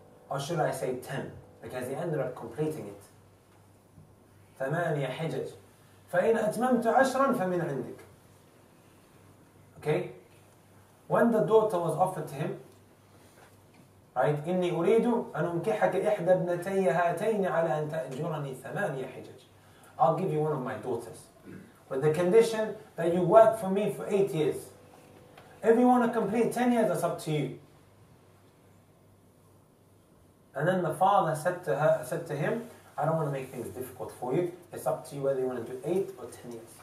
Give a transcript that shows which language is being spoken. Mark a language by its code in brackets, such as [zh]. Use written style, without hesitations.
[en] Or should I say 10? Because he ended up completing it. [ar] ثَمَانِيَ حِجَجْ فَإِنْ أَتْمَمْتُ عَشْرًا فَمِنْ عِنْدِكَ. [en] Okay? When the daughter was offered to him, right? [ar] إِنِّي أُرِيدُ أَنْ أُمْكِحَكَ إِحْدَى ابْنَتَيَّ هَاتَيْنِ عَلَى أَنْ تَأْجُرَنِي ثَمَانِيَ حِجَجْ. [en] I'll give you one of my daughters, with the condition that you work for me for 8 years. If you want to complete 10 years, that's up to you. And then the father said to him, I don't want to make things difficult for you. It's up to you whether you want to do 8 or 10 years.